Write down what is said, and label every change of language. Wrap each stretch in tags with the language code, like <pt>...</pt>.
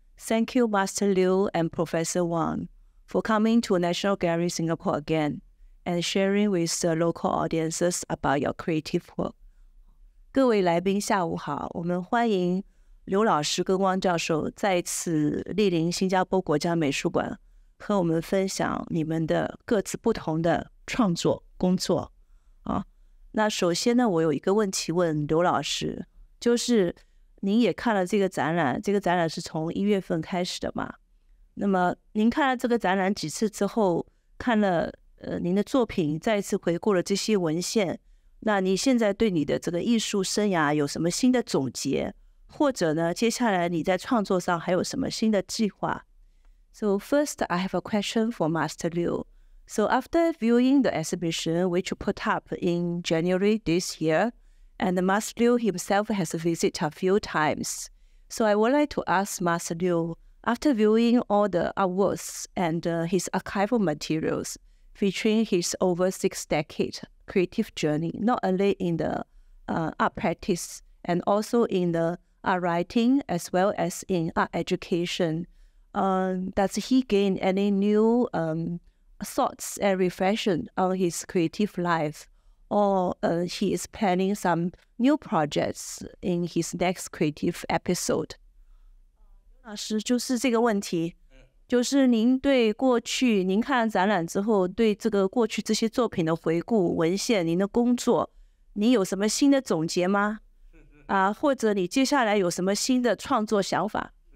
<en>Thank you, Master Liu and Professor Wang, for coming to National Gallery Singapore again and sharing with the local audiences about your creative work.</en> <zh>各位来宾下午好，我们欢迎刘老师跟汪教授再次莅临新加坡国家美术馆，和我们分享你们的各自不同的创作工作。啊，那首先呢，我有一个问题问刘老师，就是您也看了这个展览，这个展览是从一月份开始的嘛？那么您看了这个展览几次之后，看了您的作品，再次回顾了这些文献，那你现在对你的这个艺术生涯有什么新的总结？或者呢，接下来你在创作上还有什么新的计划？</zh> <en>So first, I have a question for Master Liu. So after viewing the exhibition which you put up in January this year, and Master Liu himself has visited a few times. So I would like to ask Master Liu, after viewing all the artworks and his archival materials featuring his over six decades creative journey, not only in the art practice and also in the art writing as well as in art education, does he gain any new thoughts and reflections on his creative life, or he is planning some new projects in his next creative episode?</en> <zh>老师，就是这个问题，就是您对过去，您看展览之后，对这个过去这些作品的回顾、文献、您的工作，你有什么新的总结吗？啊，或者你接下来有什么新的创作想法？</zh>